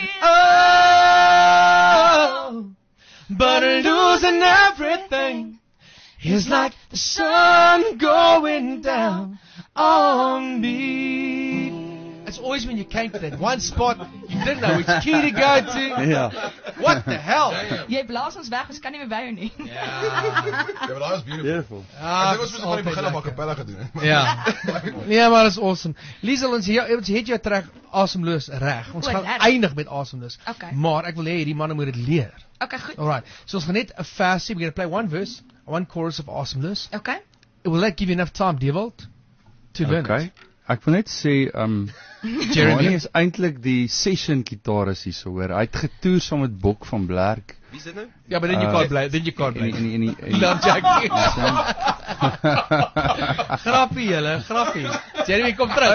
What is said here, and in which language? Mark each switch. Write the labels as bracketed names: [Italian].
[English] Oh, but losing everything is like the sun going down on me. It's always when you came to that one spot, you didn't know which key to go to. Yeah. What the hell? [Afrikaans] Jy blaas ons weg, ons kan nie meer by jou nie. [English] Yeah. Yeah, but that was beautiful. Beautiful. [Afrikaans] Ek dink ons moet van die begin af a cappella gedoen. Yeah. Nee, maar dit is awesome. Liesel, ons het jou track Awesomeloos reg. Ons gaan eindig met Awesomeloos. Okay. Maar ek wil hê hierdie manne moet dit leer. Okay, goed. [English] Alright. [Afrikaans] So ons gaan net a versie, [English] we're going to play one verse, one chorus of Awesomeloos. Okay. It will that give you enough time, Dewald, to learn okay. it. [Afrikaans] Ek wil net sê, Jeremy is eintlik die session gitarist hier so hoor. Hy het getoer saam met Bok van Blerk. Wie is dit nou? Ja, maar dan jy kan bly, dan jy kan bly. Elon Jackie. Grappie julle, grappie. Jeremy, kom terug.